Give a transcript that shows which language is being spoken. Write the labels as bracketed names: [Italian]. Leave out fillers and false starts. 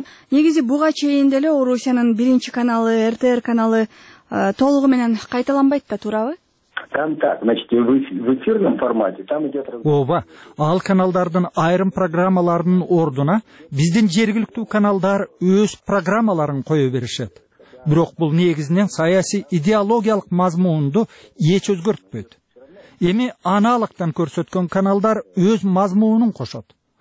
[Kyrgyz] Негизи буга чейин деле Орусиянын биринчи каналы РТР каналы толугу менен кайталанбайт да, туурабы? [Russian] Там так, значит, в эфирном формате там идет. [Kyrgyz] Ооба, ал каналдардын айрым программаларынын ордуна биздин жергиликтүү каналдар өз программаларын кое беришет. Бирок бул негизинен саясий идеологиялык мазмунду эч өзгөртпөйт. Эми аналогтан көрсөткөн каналдар өз мазмунун кошот.